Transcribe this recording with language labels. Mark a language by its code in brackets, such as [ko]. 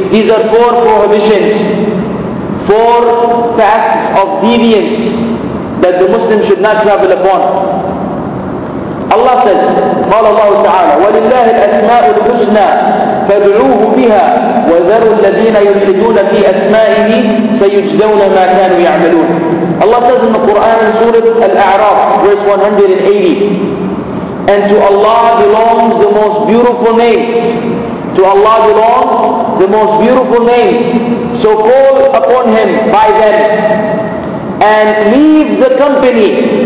[en] These are four prohibitions, four paths of deviance that the Muslim should not travel upon. Allah says, [ar] قال الله تعالى ولله الأسماء الحسنى فادعوه بها وذروا الذين يلحدون في أسمائه سيجزون ما كانوا يعملون. [en] Allah says in the Quran in Surah Al-A'raf, verse 180, and to Allah belongs the most beautiful name. To Allah belongs the most beautiful name. So call upon Him by them and leave the company.